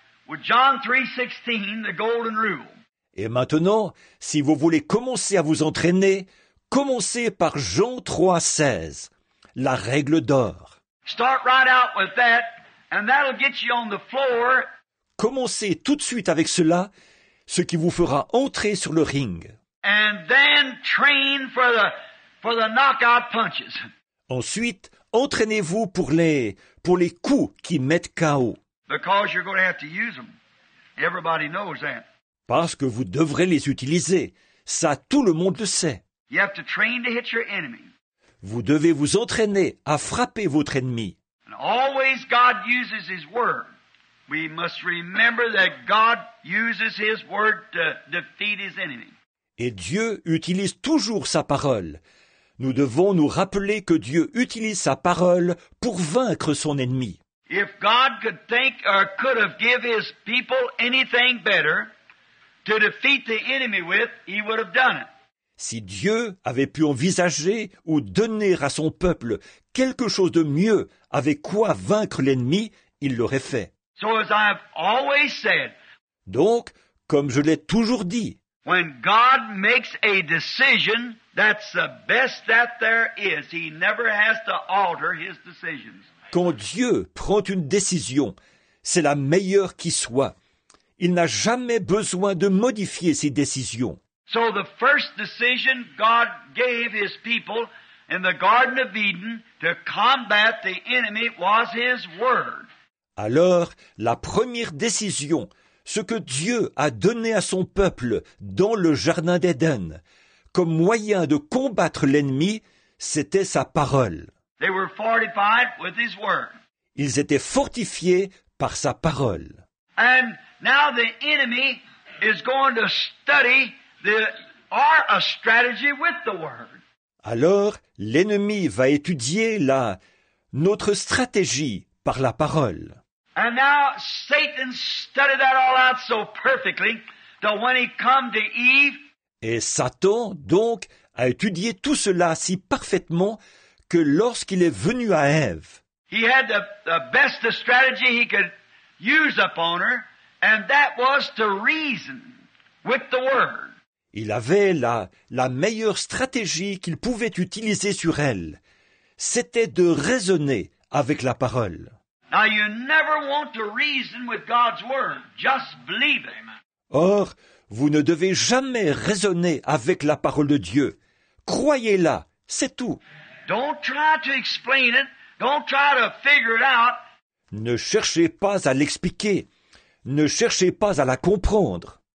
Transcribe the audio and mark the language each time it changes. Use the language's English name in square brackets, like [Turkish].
[English] with John 3:16, the golden rule. [French] Et maintenant, si vous voulez commencer à vous entraîner, commencez par Jean 3:16, la règle d'or. [English] Start right out with that, and that'll get you on the floor. [French] Commencez tout de suite avec cela, ce qui vous fera entrer sur le ring. [English] And then train for the knockout punches. [French] Ensuite, entraînez-vous pour les coups qui mettent KO. [English] Because you're going to have to use them. Everybody knows that. [French] Parce que vous devrez les utiliser. Ça, tout le monde le sait. [English] You have to train to hit your enemy. [French] Vous devez vous entraîner à frapper votre ennemi. [English] And always God uses his word. We must remember that God uses his word to defeat his enemy. [French] Et Dieu utilise toujours sa parole. Nous devons nous rappeler que Dieu utilise sa parole pour vaincre son ennemi. [English] If God could think or could have given his people anything better to defeat the enemy with, he would have done it. [French] Si Dieu avait pu envisager ou donner à son peuple quelque chose de mieux avec quoi vaincre l'ennemi, il l'aurait fait. [English] So as I've always said, [French] donc, comme je l'ai toujours dit, [English] when God makes a decision, that's the best that there is. He never has to alter his decisions. [French] Quand Dieu prend une décision, c'est la meilleure qui soit. Il n'a jamais besoin de modifier ses décisions. [English] So the first decision God gave his people in the Garden of Eden to combat the enemy was his word. [French] Alors, la première décision, ce que Dieu a donné à son peuple dans le jardin d'Éden, comme moyen de combattre l'ennemi, c'était sa parole. [English] They were fortified with his word. [French] Ils étaient fortifiés par sa parole. [English] And now the enemy is going to study our strategy with the word. [French] Alors, l'ennemi va étudier notre stratégie par la parole. [English] And now Satan studied that all out so perfectly that when he came to Eve. [French] Et Satan donc a étudié tout cela si parfaitement que lorsqu'il est venu à Ève. [English] He had the best strategy he could use upon her, and that was to reason with the word. [French] Il avait la meilleure stratégie qu'il pouvait utiliser sur elle. C'était de raisonner avec la parole. [English] Now you never want to reason with God's word. Just believe it. [French] Or, vous ne devez jamais raisonner avec la parole de Dieu. Croyez-la, c'est tout. [English] Don't try to explain it. Don't try to figure it out. [French] Ne cherchez pas à l'expliquer. Ne cherchez pas à la comprendre.